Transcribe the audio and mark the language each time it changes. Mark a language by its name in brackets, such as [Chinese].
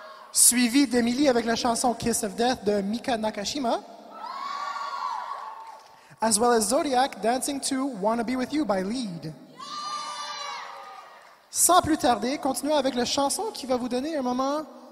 [French] Suivi d'Emily avec la chanson Kiss of Death de Mika Nakashima. [English] As well as Zodiac dancing to Wanna Be With You by Lead. [French] Sans plus tarder, continuons avec la chanson qui va vous donner un moment...